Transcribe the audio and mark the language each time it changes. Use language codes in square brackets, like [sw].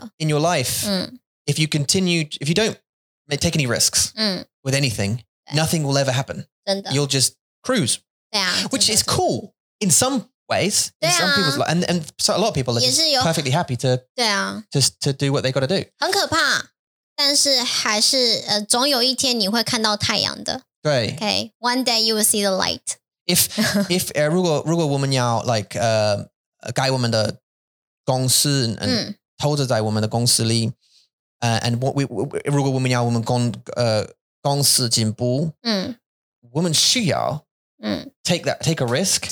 [en] So in your life, if you continue, if you don't take any risks with anything, nothing will ever happen. [zh] 真的。 [en] You'll just cruise. Yeah. Which is cool in some ways. Yeah. Some people's life, and so a lot of people are just perfectly happy to, just to do what they've got to do. [zh] 很可怕。但是还是总有一天你会看到太阳的。对。 [en] Okay, one day you will see the light. [zh] If 如果我们要 like 在我们的公司 and 投资在我们的公司里 and [en] what we [zh] 如果我们要我们公司进步，我们需要 [en] take a risk.